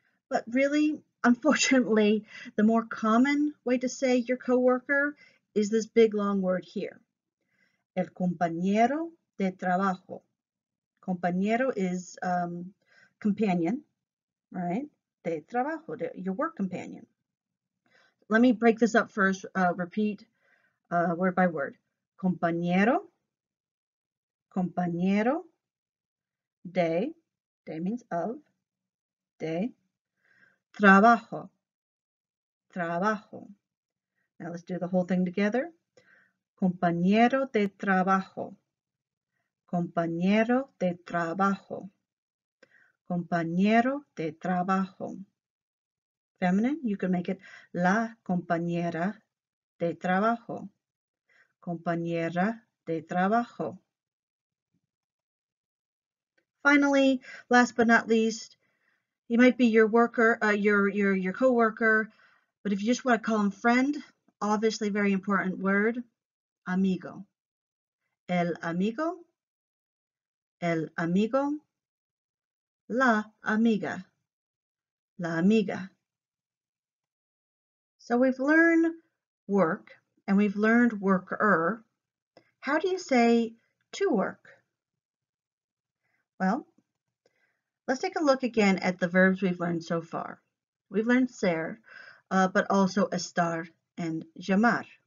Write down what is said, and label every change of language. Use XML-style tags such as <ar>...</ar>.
<en>But really, unfortunately, the more common way to say your coworker is this big long word here.</en> <es>El compañero de trabajo. Compañero</es> <en>is companion, right?</en> <es>De trabajo,</es> <en>your work companion. Let me break this up first, repeat word by word.</en> <es>Compañero, compañero, de</es> <en>means of,</en> <es>de, trabajo, trabajo.</es> <en>Now let's do the whole thing together.</en> <es>Compañero de trabajo, compañero de trabajo, compañero de trabajo.</es> <en>Feminine, you can make it</en> <es>la compañera de trabajo, compañera de trabajo.</es> <en>Finally, last but not least, he might be your worker, your coworker, but if you just want to call him friend, obviously very important word, amigo.</en> <es>El amigo, el amigo, la amiga, la amiga.</es> <en>So we've learned work and we've learned worker. How do you say to work? Well, let's take a look again at the verbs we've learned so far. We've learned ser, but also estar and llamar.</en>